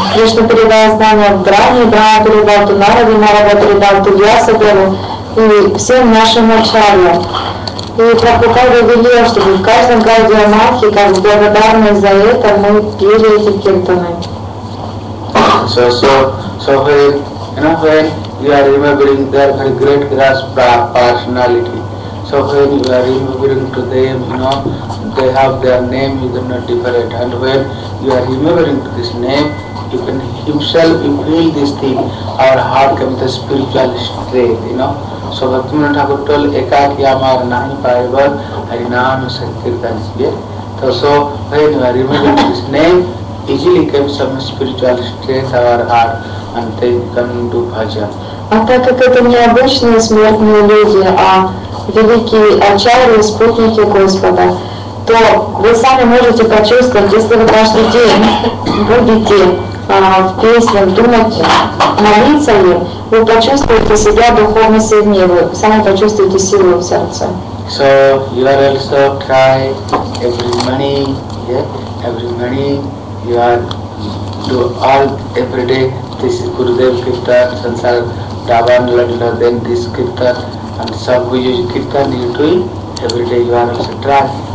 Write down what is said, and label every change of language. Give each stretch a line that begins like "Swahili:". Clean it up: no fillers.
Russian: Кришна передал знания Брахме, Брахма передал ту Нараде, Нарада передал ту Вьясадеву и всем нашим ачарьям. И Прабхупада велел, чтобы в каждом Гаудия Матхе, как благодарны за это, мы пили эти киртаны.
English: So when, you know, when you are remembering their very great grasp personality, so when you are remembering to them, you know, they have their name, you cannot differentiate. And when you are remembering to this name, you can himself, you feel this thing, our heart comes the spiritual strength, you know. So Bhaktivinoda Thakur told, Ekakyamar Nahi Paribar Harinam Sankirtan. Yeah? So when you are remembering this name, easily comes some spiritual strength in our heart, and then you can do bhajan.
Russian: And так как это не обычные смертные люди, а великие ачарьи, спутники Господа, то вы сами можете почувствовать, если вы каждый день будете в песне думать, молиться ли, вы почувствуете себя духовно сильнее, вы сами почувствуете силу в сердце.
English: So you are also try every morning, yeah? Every morning you are do all every day this Gurudev Kirtan, Sansar Davan Lalila, then this Kirtan, and some Vujuj Kirtan you do it, every day you are also try.